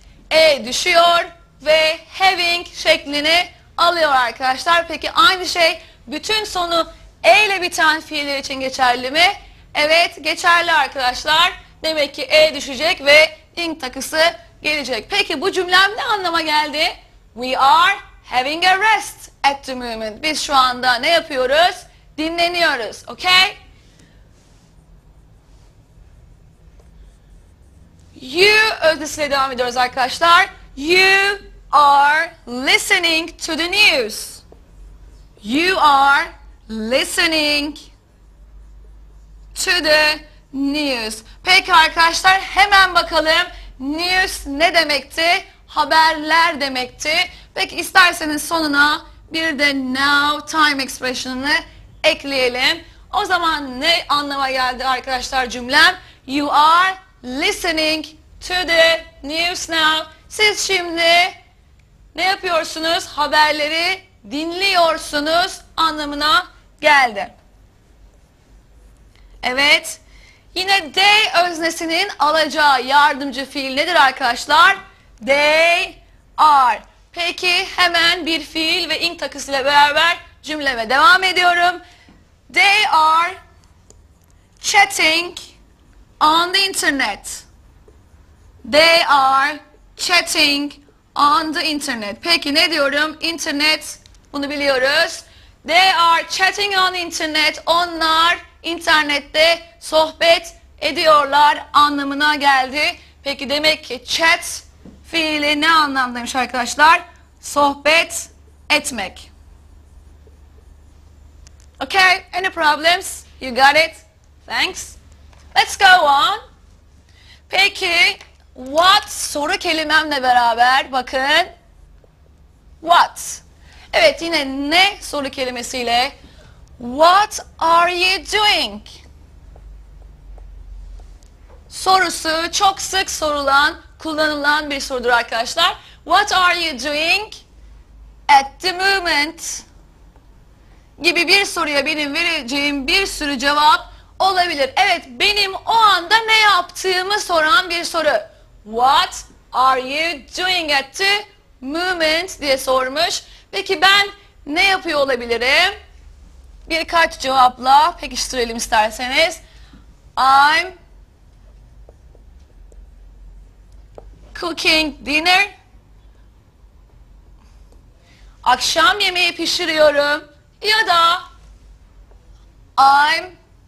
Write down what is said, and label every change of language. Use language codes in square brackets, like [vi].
[tr] E düşüyor ve having şeklini alıyor arkadaşlar. Peki aynı şey bütün sonu e ile biten fiiller için geçerli mi? Evet, geçerli arkadaşlar. Demek ki e düşecek ve ing takısı gelecek. Peki bu cümlem ne anlama geldi? [en] We are having a rest at the moment. [tr] Biz şu anda ne yapıyoruz? Dinleniyoruz. Okay? You öznesiyle devam ediyoruz arkadaşlar. [en] You are listening to the news. You are listening to the news. [tr] Peki arkadaşlar hemen bakalım. News ne demekti? Haberler demekti. Peki isterseniz sonuna bir de now time expression'ını ekleyelim. O zaman ne anlama geldi arkadaşlar cümlem? [en] You are listening to the news now. [tr] Siz şimdi ne yapıyorsunuz? Haberleri dinliyorsunuz anlamına geldi. Evet. Yine they öznesinin alacağı yardımcı fiil nedir arkadaşlar? [en] They are. [tr] Peki hemen bir fiil ve ing takısıyla beraber cümleme devam ediyorum. [en] They are chatting on the internet. They are chatting on the internet. [tr] Peki ne diyorum? İnternet, bunu biliyoruz. [en] They are chatting on the internet. [tr] Onlar internette sohbet ediyorlar anlamına geldi. Peki demek ki chat fiili ne anlamdaymış arkadaşlar? Sohbet etmek. [en] Okay, any problems? You got it? Thanks. Let's go on. [tr] Peki what soru kelimemle beraber bakın. What? Evet, yine ne soru kelimesiyle. [en] What are you doing? [tr] Sorusu çok sık sorulan, kullanılan bir sorudur arkadaşlar. [en] What are you doing at the moment? [tr] Gibi bir soruya benim vereceğim bir sürü cevap olabilir. Evet, benim o anda ne yaptığımı soran bir soru. [en] What are you doing at the moment [tr] diye sormuş. Peki ben ne yapıyor olabilirim? Birkaç cevapla pekiştirelim isterseniz. [en] I'm cooking dinner. [tr] Akşam yemeği pişiriyorum. Ya da I'm